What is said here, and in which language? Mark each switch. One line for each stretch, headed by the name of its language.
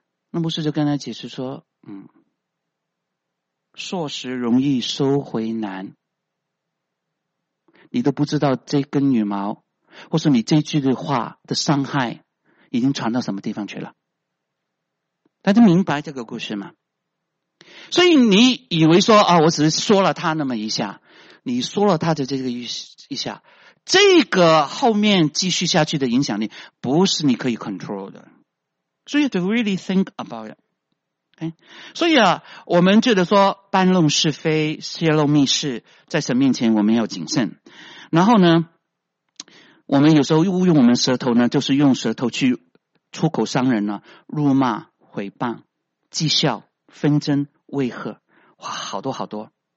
Chinese: 那牧师就跟他解释说，硕时容易收回难，你都不知道这根羽毛或是你这句的话的伤害已经传到什么地方去了。大家明白这个故事吗？所以你以为说啊，我只是说了他那么一下，你说了他的这个一下，这个后面继续下去的影响力不是你可以 control 的。
English: So you have to really think about it. Okay?
Chinese: 所以啊，我们觉得说搬弄是非，泄露密室，在神面前我们要谨慎。然后呢，我们有时候误用我们舌头呢，就是用舌头去出口伤人呢，辱骂、毁谤、讥笑、纷争、威吓，哇，好多好多。